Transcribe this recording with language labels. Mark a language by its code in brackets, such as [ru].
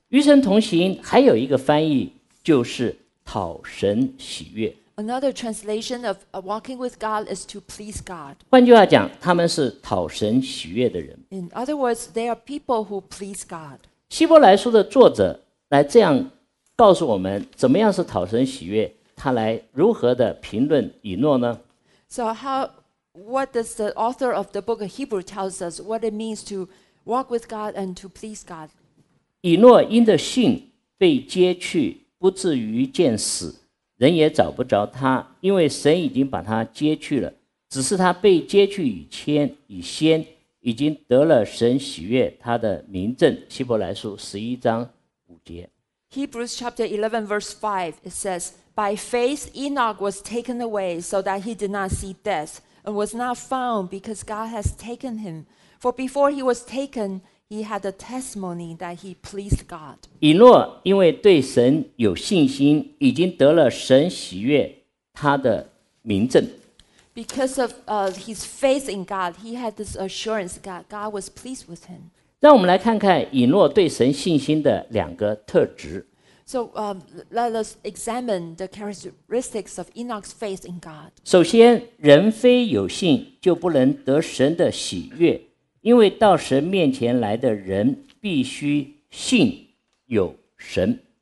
[zh] 与神同行还有一个翻译就是讨神喜悦。 [en] Another translation of walking with God is to please God. [zh] 换句话讲，他们是讨神喜悦的人。 [en] In other words, they are people who please God. [zh] 希伯来书的作者来这样告诉我们，怎么样是讨神喜悦？他来如何的评论以诺呢 [en] ？So how? What does the author of the book of Hebrews tells us what it means to walk with God and to please God. [zh] 以诺因着信被接去，不至于见死，人也找不着他，因为神已经把他接去了。只是他被接去以先，已经得了神喜悦他的名证。希伯来书十一章五节。 [en] Hebrews chapter 11 verse 5 it says, "By faith Enoch was taken away, so that he did not see death, and was not found because God has taken him." For before he was taken, he had a testimony that he pleased God. [zh] 以诺因为对神有信心，已经得了神喜悦他的名证。 [en] Because of his faith in God, he had this assurance that God was pleased with him. [zh] 让我们来看看以诺对神信心的两个特质。 [en] So, let us examine the characteristics of Enoch's faith in God. [zh] 首先，人非有信，就不能得神的喜悦，因为到神面前来的人必须信有神。